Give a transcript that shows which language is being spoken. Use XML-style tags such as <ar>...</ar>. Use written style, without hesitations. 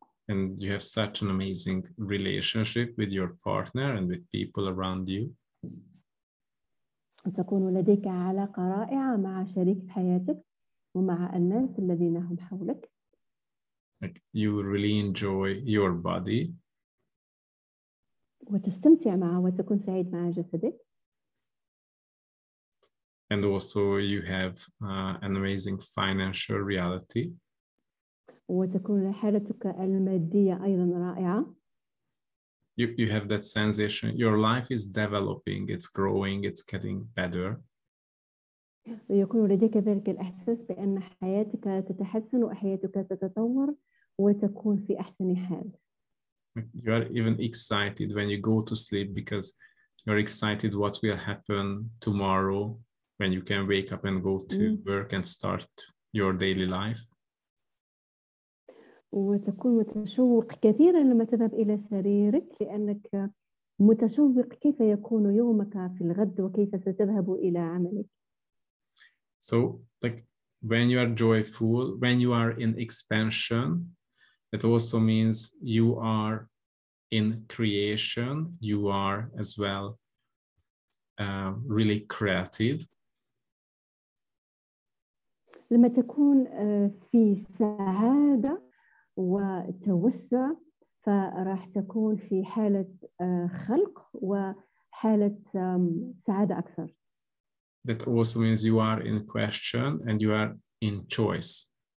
<en>And you have such an amazing relationship with your partner and with people around you.</en> <ar>تكون لديك علاقة رائعة مع شريك حياتك ومع الناس الذين هم حولك.</ar> <en>Like you really enjoy your body.</en> <ar>وتستمتع معه وتكون سعيد مع جسدك.</ar> <en>And also you have an amazing financial reality.</en> <ar>وتكون حالتك المادية أيضا رائعة.</ar> <en>You have that sensation. Your life is developing. It's growing. It's getting better.</en> <ar>ويكون لديك ذلك الإحساس بأن حياتك تتحسن وحياتك تتطور وتكون في أحسن حال.</ar> <en>You are even excited when you go to sleep because you're excited what will happen tomorrow when you can wake up and go to work and start your daily life.</en> <ar>وتكون متشوق كثيرا لما تذهب إلى سريرك لأنك متشوق كيف يكون يومك في الغد وكيف ستذهب إلى عملك.</ar> <en>So like when you are joyful, when you are in expansion, it also means you are in creation. You are as well really creative.</en> <ar>لما تكون في سعادة وتوسع فراح تكون في حالة خلق وحالة سعادة أكثر.</ar> <en>That also means you are in question and you are in choice.</en>